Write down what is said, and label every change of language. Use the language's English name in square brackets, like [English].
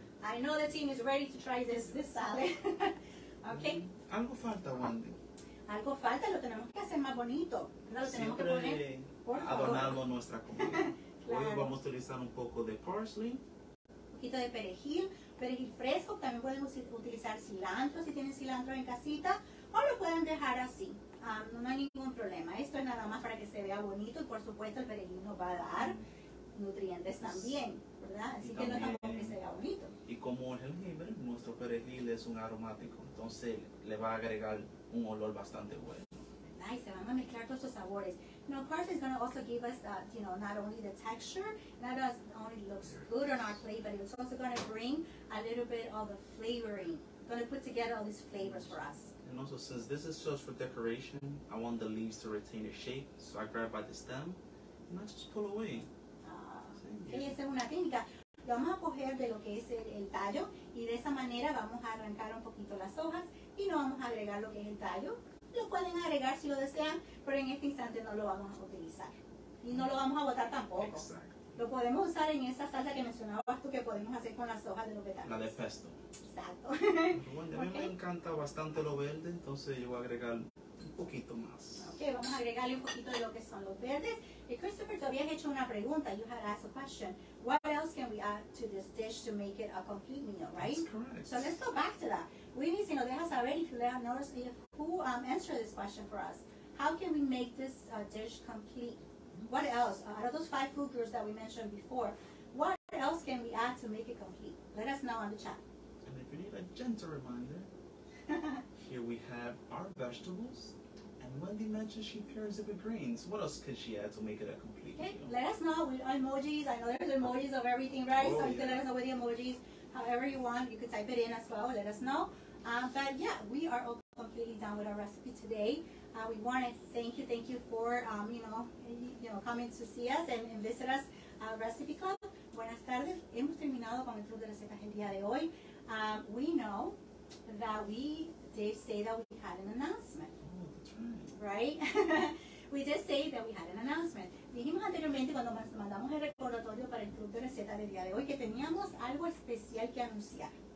[English] I know the team is ready to try this salad. Okay. [Spanish] Algo falta, Wendy. Algo falta, lo tenemos que hacer más bonito. Lo tenemos siempre que poner... adornamos nuestra comida. Claro. Hoy vamos a utilizar un poco de parsley. Un poquito de perejil fresco. También pueden utilizar cilantro, si tienen cilantro en casita. O lo pueden dejar así. No hay ningún problema. Esto es nada más para que se vea bonito. Y por supuesto, el perejil nos va a dar nutrientes también. ¿Verdad? Así que también, no es para que se vea bonito. Y como el jengibre, nuestro perejil es un aromático. Entonces, le va a agregar un olor bastante bueno. Y se van a mezclar todos esos sabores. [English] Now, parsley is going to also give us, you know, not only the texture, not as only looks good on our plate, but it's also going to bring a little bit of the flavoring. It's going to put together all these flavors for us. And also, since this is just for decoration, I want the leaves to retain their shape. So I grab by the stem, and I just pull away. [Spanish] Okay, esa es una técnica. Vamos a coger de lo que es el tallo, y de esa manera vamos a arrancar un poquito las hojas, y no vamos a agregar lo que es el tallo. Lo pueden agregar si lo desean, pero en este instante no lo vamos a utilizar. Y no lo vamos a botar tampoco. Exacto. Lo podemos usar en esa salsa que mencionabas tú que podemos hacer con las hojas de los betabeles. La de pesto. Exacto. Bueno, a mí me encanta bastante lo verde, entonces yo voy a agregar un poquito más. Ok, vamos a agregarle un poquito de lo que son los verdes. Y Christopher, tú habías hecho una pregunta. [English] You had asked a question. What else can we add to this dish to make it a complete meal, right? That's correct. So let's go back to that. Winnie, [Spanish] si nos dejas saber, [English] if you let us know, who answered this question for us. How can we make this dish complete? What else? Out of those five food groups that we mentioned before, what else can we add to make it complete? Let us know on the chat. And if you need a gentle reminder, here we have our vegetables. And Wendy mentioned she pairs it with greens. What else could she add to make it a complete meal? Let us know with emojis. I know there's emojis of everything, right? Oh, so yeah. You can let us know with the emojis. however you want. You could type it in as well, let us know. But yeah, we are all completely done with our recipe today. We want to thank you for, you know, coming to see us and visit us, Recipe Club. [Spanish] Buenas tardes. Hemos terminado con el Club de Recetas el día de hoy. [English] We know that we did say that we had an announcement, right? We did say that we had an announcement. [Spanish] Dijimos anteriormente cuando mandamos el recordatorio para el Club de Recetas del día de hoy que teníamos algo especial que anunciar.